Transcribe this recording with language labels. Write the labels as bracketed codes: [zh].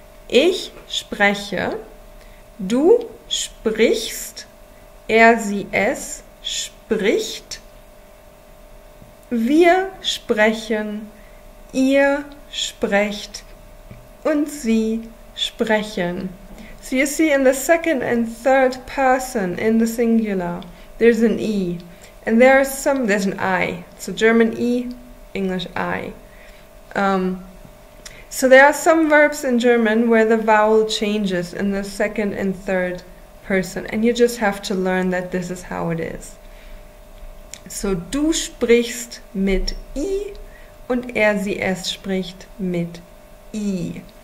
[de] Ich spreche, du sprichst, er, sie, es spricht, wir sprechen, ihr sprecht und sie sprechen. [en] So you see, in the second and third person in the singular, there's an E. And there's an I. So German E, English I. So there are some verbs in German where the vowel changes in the second and third person. And you just have to learn that this is how it is. [de] So du sprichst mit I und er, sie, es spricht mit I.